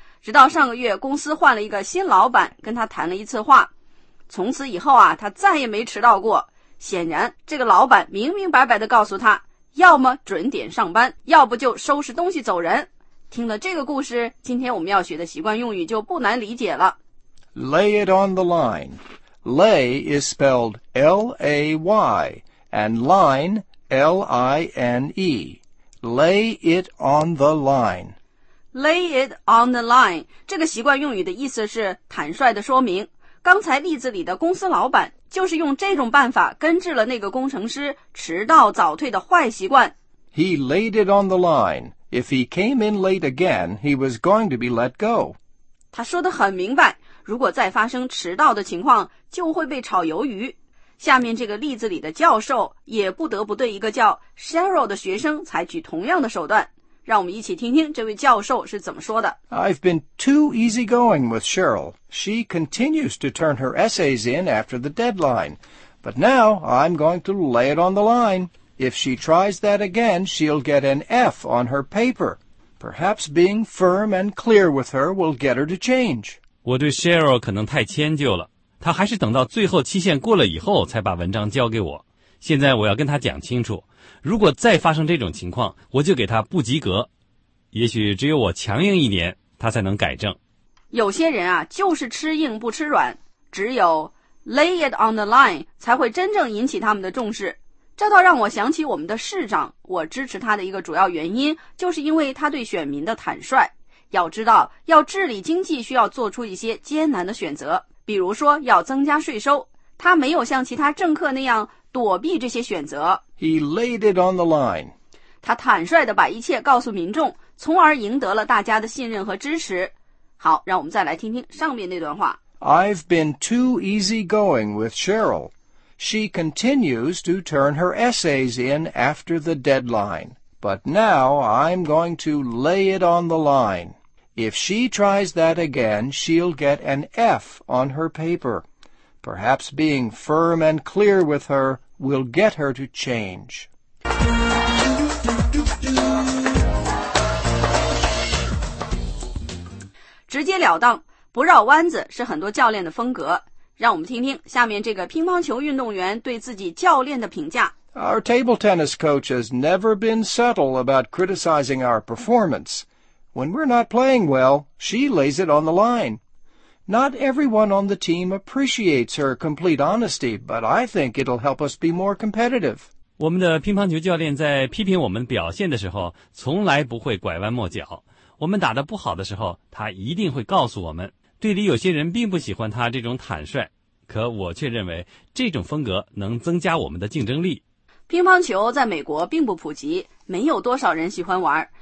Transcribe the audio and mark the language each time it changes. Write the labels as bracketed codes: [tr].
[zh] 直到上个月公司换了一个新老板，跟他谈了一次话，从此以后啊，他再也没迟到过。显然这个老板明明白白地告诉他，要么准点上班，要不就收拾东西走人。听了这个故事，今天我们要学的习惯用语就不难理解了。 [en] Lay it on the line. Lay is spelled L-A-Y and line L-I-N-E. Lay it on the line Lay it on the line, [zh] 这个习惯用语的意思是坦率的说明。刚才例子里的公司老板就是用这种办法根治了那个工程师迟到早退的坏习惯。 [en] He laid it on the line If he came in late again, he was going to be let go. [zh] 他说得很明白，如果再发生迟到的情况，就会被炒鱿鱼。下面这个例子里的教授也不得不对一个叫 Cheryl 的学生采取同样的手段。让我们一起听听这位教授是怎么说的。 [en] I've been too easygoing with Cheryl. She continues to turn her essays in after the deadline. But now I'm going to lay it on the line. If she tries that again, she'll get an F on her paper. Perhaps being firm and clear with her will get her to change. [zh] 我对 Cheryl 可能太迁就了。她还是等到最后期限过了以后才把文章交给我。现在我要跟她讲清楚。如果再发生这种情况，我就给他不及格。也许只有我强硬一点，他才能改正。有些人啊，就是吃硬不吃软，只有 [en] lay it on the line [zh] 才会真正引起他们的重视。这倒让我想起我们的市长，我支持他的一个主要原因，就是因为他对选民的坦率。要知道，要治理经济需要做出一些艰难的选择，比如说要增加税收。他没有像其他政客那样躲避这些选择。 [en] He laid it on the line. [zh] 他坦率地把一切告诉民众，从而赢得了大家的信任和支持。好，让我们再来听听上面那段话。 [en] I've been too easygoing with Cheryl. She continues to turn her essays in after the deadline. But now I'm going to lay it on the line. If she tries that again, she'll get an F on her paper. Perhaps being firm and clear with her will get her to change. [zh] 直接了当，不绕弯子是很多教练的风格。让我们听听下面这个乒乓球运动员对自己教练的评价。 [en] Our table tennis coach has never been subtle about criticizing our performance. When we're not playing well, she lays it on the line. Not everyone on the team appreciates her complete honesty, but I think it'll help us be more competitive. [zh] 我们的乒乓球教练在批评我们表现的时候，从来不会拐弯抹角。我们打得不好的时候，他一定会告诉我们。队里有些人并不喜欢他这种坦率，可我却认为这种风格能增加我们的竞争力。乒乓球在美国并不普及，没有多少人喜欢玩。